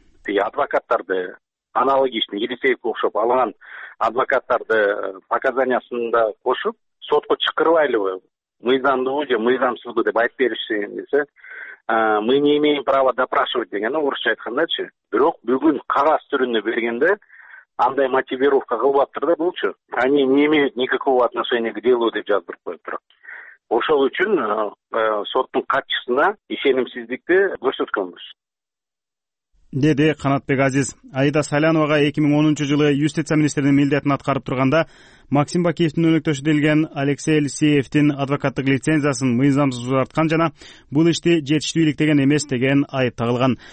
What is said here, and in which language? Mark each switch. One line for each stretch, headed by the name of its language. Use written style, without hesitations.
Kyrgyz: Адвокаттарды аналог иштин Елисеевке окшоп алган адвокаттарды показаниясында кошуп сотко чакырбай элеби, мыйзамдуубу же мыйзамсызбы деп айтып беришсин десе,
Russian: мы не имеем права допрашивать
Kyrgyz: деген, орусча айткандачы. Бирок бүгүн кагаз түрүндө бергенде андай мотивировка кылбаптыр да булчу.
Russian: Они не имеют никакого отношения к делу,
Kyrgyz: деп жаздырып коюптур. Ошол үчүн соттун катчысына ишенимсиздикти көрсөткөнбүз, деди Канатбек Азиз. Аида Салянова 2010-жылы юстиция министринин милдетин аткарып турганда Максим Бакиевдин өнөктөшү делген Алексей Элисеевдин адвокаттык лицензиясын мыйзамсыз узарткан жана бул ишти жетиштүү иликтеген эмес деген айып тагылган.